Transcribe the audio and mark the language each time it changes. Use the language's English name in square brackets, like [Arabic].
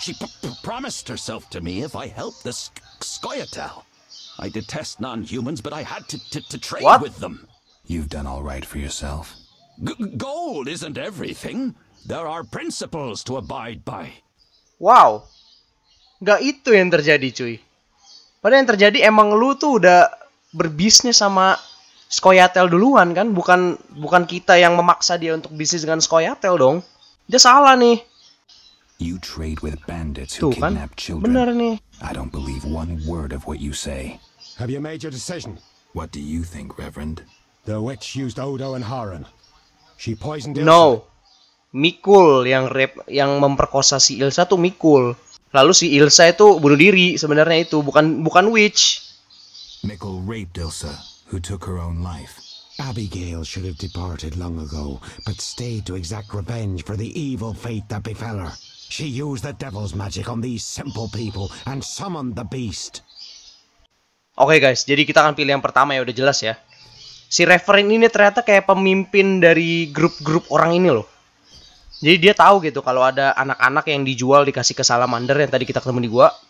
[English] She promised herself to me if I helped the Scoia'tael. I detest non-humans, but I had to trade what? With them. You've done all right for yourself. Gold isn't everything. There are principles to abide by. Wow. [Indonesian] Enggak itu yang terjadi, cuy. Padahal yang terjadi emang lu tuh udah berbisnis sama Scoia'tael duluan kan, bukan kita yang memaksa dia untuk bisnis dengan Scoia'tael dong. Dia salah nih. [English] You trade with bandits who kidnap children. [Indonesian] Benar nih. [English] I don't believe one word of what you say. Have you made your decision? What do you think, Reverend? The witch used Odo and Haran. She poisoned [Indonesian] Ilsa. [English] No. [Indonesian] Mikul yang memperkosa si Ilsa tuh Mikul. Lalu si Ilsa itu bunuh diri sebenarnya itu, bukan witch. [English] Mikul raped Ilsa, who took her own life. Abigail should have departed long ago, but stayed to exact revenge for the evil fate that befell her. She used the devil's magic on these simple people and summoned the beast. [Indonesian] Okay guys, jadi kita akan pilih yang pertama ya, udah jelas ya. Si Reverend ini ternyata kayak pemimpin dari grup-grup orang ini loh. Jadi dia tahu gitu kalau ada anak-anak yang dijual dikasih ke Salamander yang tadi kita ketemu di gua.